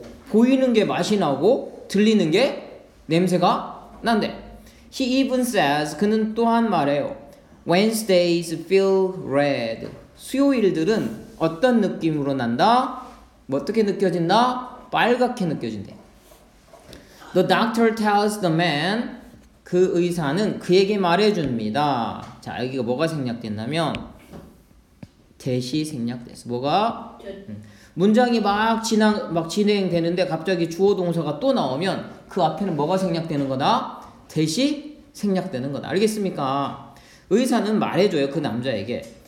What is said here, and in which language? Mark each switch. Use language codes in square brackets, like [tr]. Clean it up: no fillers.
[ko] 보이는 게 맛이 나고 들리는 게 냄새가 난데. [en] He even says, [ko] 그는 또한 말해요. [en] Wednesdays feel red. [ko] 수요일들은 어떤 느낌으로 난다? 뭐 어떻게 느껴진다? 빨갛게 느껴진대. [en] The doctor tells the man, [ko] 그 의사는 그에게 말해줍니다. 자, 여기가 뭐가 생략됐냐면 대시 생략됐어. 뭐가? 문장이 막 진행되는데 갑자기 주어 동사가 또 나오면 그 앞에는 뭐가 생략되는 거다? 대시 생략되는 거다. 알겠습니까? 의사는 말해줘요, 그 남자에게.